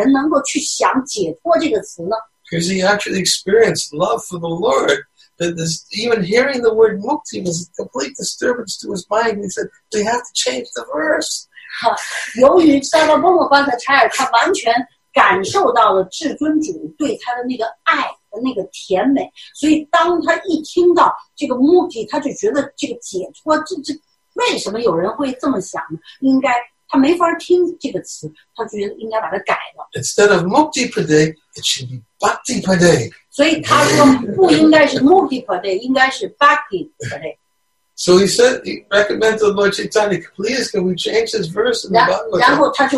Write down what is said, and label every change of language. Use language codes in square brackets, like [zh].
[zh] 他就说，因为那个那节诗里就在谈mukti，所以他就说我每一次现在一听到mukti这个词，我就觉得特别的不高兴。怎么会有人能够去想解脱这个词呢？ [en] Because he actually experienced love for the Lord, that this even hearing the word mukti was a complete disturbance to his mind. He said they have to change the verse. [zh] 由于在那波摩巴的差尔，他完全 感受到了至尊主对他的那个爱的那个甜美，所以当他一听到这个mukti，他就觉得这个解脱，这为什么有人会这么想呢？应该他没法听这个词，他觉得应该把它改了。Instead [en] of mukti padai, it should be bhakti padai. [zh] 所以他说不应该是mukti padai, 应该是bhakti padai. [en] So he said, he recommended Lord Chaitanya, please can we change this verse in the Bhagavatam?